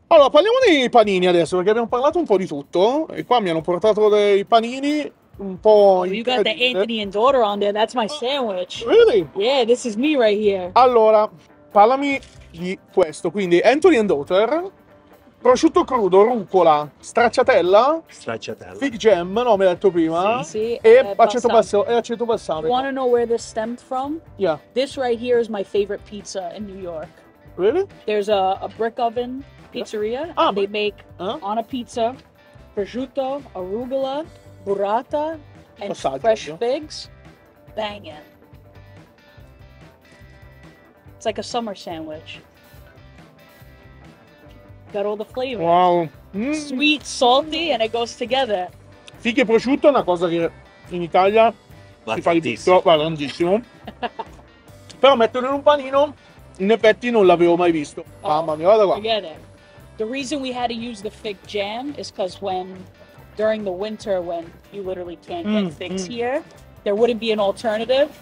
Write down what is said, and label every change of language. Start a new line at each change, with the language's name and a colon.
Italian: Allora, parliamo dei panini adesso, perché abbiamo parlato un po' di tutto. E qua mi hanno portato dei panini un po'...
English: You got the Anthony and daughter on there, that's my sandwich. Really? Yeah, this is me right here.
Italian: Allora, parlami di questo. Quindi, Anthony and daughter... Prosciutto crudo, rucola, stracciatella, fig jam, no, mi hai detto prima, e aceto balsamico.
English: You want to know where this stemmed from? Yeah. This right here is my favorite pizza in New York. Really? There's a brick oven pizzeria. Yeah. They make on a pizza, prosciutto, arugula, burrata, and fresh figs. Banging. It's like a summer sandwich. Got all the flavors. Wow. Mm. Sweet, salty, and it goes together.
Italian: Fichi e prosciutto è una cosa che in Italia si fa di tutto, va grandissimo. Però metterlo in un panino, in effetti non l'avevo mai visto. Oh. Mamma mia, guarda qua.
English: Forget it. The reason we had to use the fig jam is because during the winter, when you literally can't get figs here, there wouldn't be an alternative.